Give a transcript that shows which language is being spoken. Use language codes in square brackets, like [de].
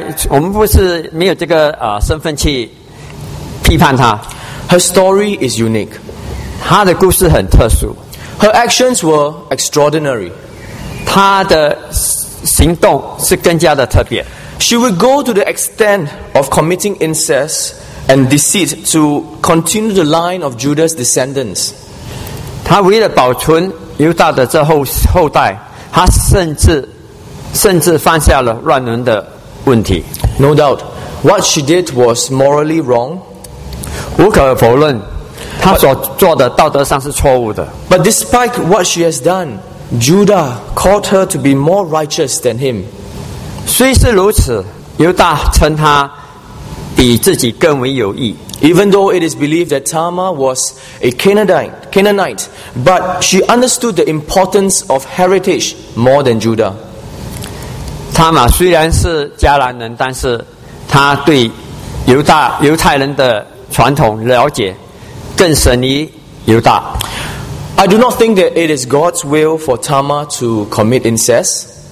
[zh] 我们不是没有这个身份去批判她。 [en] Her story is unique. [zh] 她的故事很特殊。 [en] Her actions were extraordinary. [zh] 她的行动是更加的特别。 [en] She would go to the extent of committing incest and deceit to continue the line of Judah's descendants. [zh] 他为了保存犹大的这后代，他甚至犯下了乱伦的问题。 [en] No doubt, what she did was morally wrong. [zh] 无可否认，他所做的道德上是错误的。 [en] But despite what she has done, Judah called her to be more righteous than him. [zh] 虽是如此，犹大称他比自己更为有益。 [en] Even though it is believed that Tamar was a Canaanite, but she understood the importance of heritage more than Judah. [zh] Tamar 虽然是迦南人，但是她对犹太人的传统了解更深于犹大。 [en] I do not think that it is God's will for Tamar to commit incest.